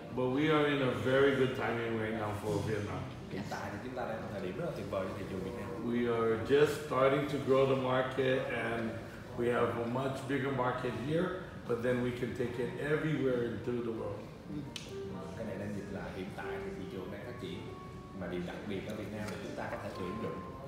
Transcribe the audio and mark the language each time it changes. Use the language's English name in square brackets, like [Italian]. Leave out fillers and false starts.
[English] But we are in a very good timing right now for Vietnam. [Vietnamese] Hiện tại thì chúng ta đang ở thời điểm rất là tuyệt vời cho thị trường Việt Nam. [English] We are just starting to grow the market and we have a much bigger market here, but then we can take it everywhere and through the world. [Vietnamese] Cái này đang dịch là hiện tại thì thị trường đang phát triển. Mà điều đặc biệt ở Việt Nam là chúng ta có thể tuyển dụng.